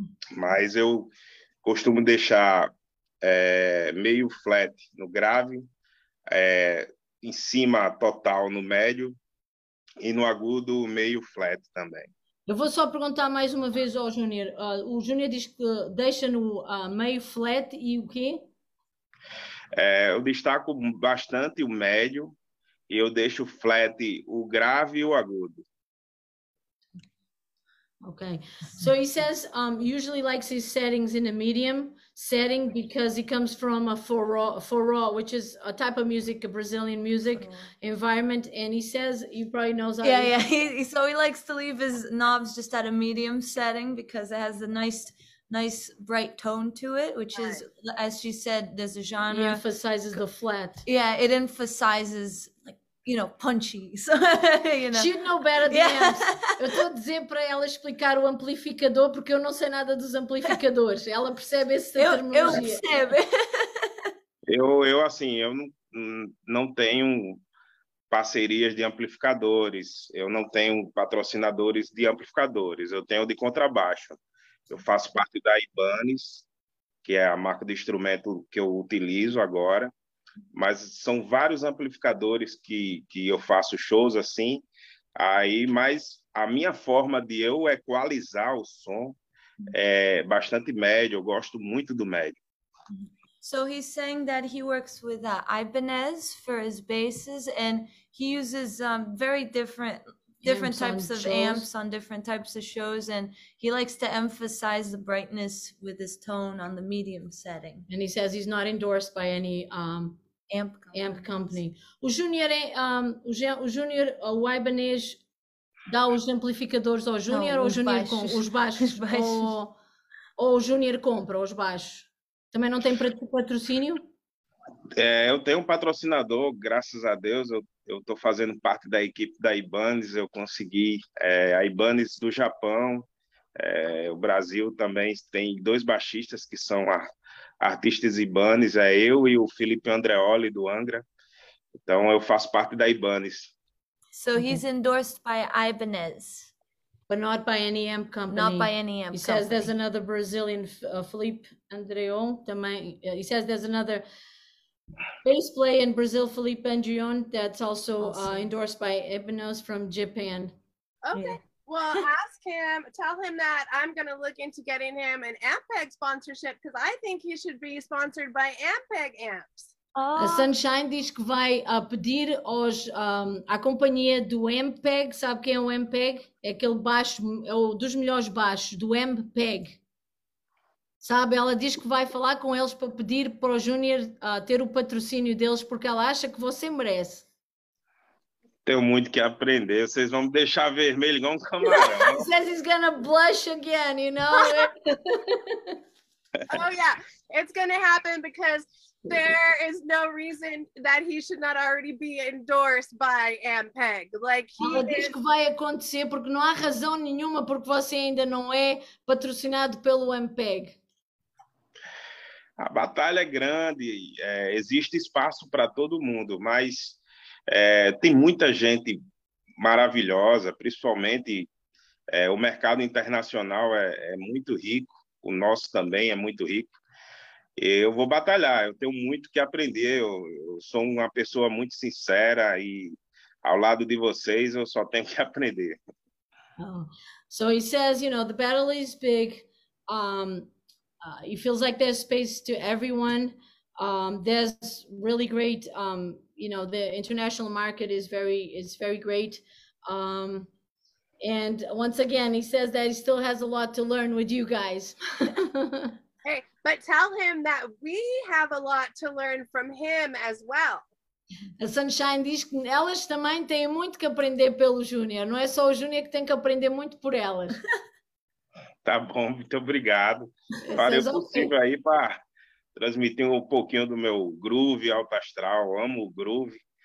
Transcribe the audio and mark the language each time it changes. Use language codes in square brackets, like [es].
[pt] Mas eu costumo deixar meio flat no grave, em cima total no médio e no agudo meio flat também. Eu vou só perguntar mais uma vez ao Júnior. O Júnior diz que deixa no meio flat e o quê? Eu destaco bastante o médio e eu deixo flat o grave e o agudo. [en] Okay, so he says usually likes his settings in a medium setting because he comes from a forró, which is a type of music, a Brazilian music environment. And he says, you probably know that. Yeah, so he likes to leave his knobs just at a medium setting because it has a nice bright tone to it, which is, as she said, there's a genre. He emphasizes the flat. Yeah, it emphasizes, like, you know, punchy. So, you know. She would know better than us. [pt] Eu estou a dizer para ela explicar o amplificador, porque eu não sei nada dos amplificadores. Ela percebe essa terminologia. Eu percebo. Eu assim, eu não tenho parcerias de amplificadores. Eu não tenho patrocinadores de amplificadores. Eu tenho de contrabaixo. Eu faço parte da Ibanez, que é a marca de instrumento que eu utilizo agora. Mas são vários amplificadores que eu faço shows assim. Aí, mas a minha forma de eu equalizar o som é bastante médio. Eu gosto muito do médio. [en] So he's saying that he works with Ibanez for his basses and he uses very different amps types of shows. Amps on different types of shows and he likes to emphasize the brightness with his tone on the medium setting. And he says he's not endorsed by any amp company. [pt] O Junior é o Junior, o Ibanez dá os amplificadores ao Júnior ou o Júnior com os baixos? Ou o Júnior compra os baixos? Também não tem patrocínio? Eu tenho um patrocinador, graças a Deus. Eu estou fazendo parte da equipe da Ibanez. Eu consegui a Ibanez do Japão. O Brasil também tem dois baixistas que são artistas Ibanez. É eu e o Felipe Andreoli, do Angra. Então, eu faço parte da Ibanez. [en] So he's endorsed by Ibanez. But not by any amp company. Not by any amp he He says there's another Brazilian, Felipe Andreon. He says there's another bass player in Brazil, Felipe Andreon, that's also endorsed by Ibanez from Japan. Okay. Yeah. Well, ask him, tell him that I'm going to look into getting him an Ampeg sponsorship because I think he should be sponsored by Ampeg amps. Oh. [pt] A Sunshine diz que vai pedir à companhia do Ampeg, sabe quem é o Ampeg? É aquele baixo, é o dos melhores baixos, do Ampeg. Sabe, ela diz que vai falar com eles para pedir para o Júnior ter o patrocínio deles, porque ela acha que você merece. Tenho muito que aprender, vocês vão me deixar vermelho igual um camarão. [en] Says he's gonna blush again, you know? Oh yeah, it's gonna happen because there is no reason that he should not already be endorsed by MPEG. Like he [pt] Ela diz que vai acontecer porque não há razão nenhuma porque você ainda não é patrocinado pelo MPEG. A batalha é grande, existe espaço para todo mundo, mas tem muita gente maravilhosa, principalmente o mercado internacional é muito rico, o nosso também é muito rico. Eu vou batalhar, eu tenho muito que aprender, eu sou uma pessoa muito sincera e ao lado de vocês eu só tenho que aprender. [en] So he says, you know, the battle is big. He feels like there's space to everyone. There's really great, you know, the international market is very great. And once again, he says that he still has a lot to learn with you guys. Hey, but tell him that we have a lot to learn from him as well. [pt] A Sunshine diz que elas também têm muito que aprender pelo Júnior. Não é só o Júnior que tem que aprender muito por elas. Tá bom, muito obrigado. Farei o possível aí para transmitir um pouquinho do meu groove alto astral. Eu amo o groove.